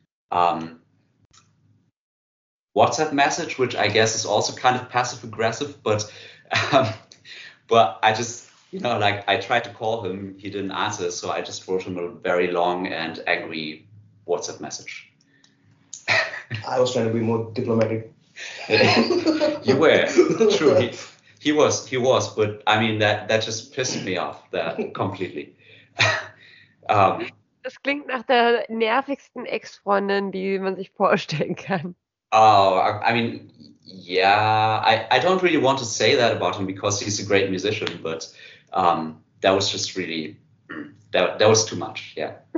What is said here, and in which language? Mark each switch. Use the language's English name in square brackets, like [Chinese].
[English] WhatsApp message, which I guess is also kind of passive aggressive, but I just, you know, like I tried to call him, he didn't answer, so I just wrote him a very long and angry WhatsApp message. I was trying to be more diplomatic. You were, true. He was, but I mean that just pissed me off that completely. [German] Das klingt nach der nervigsten Ex-Freundin, die man sich vorstellen kann. [English] Oh, I mean, yeah, I don't really want to say that about him because he's a great musician, but that was just really, that was too much, yeah.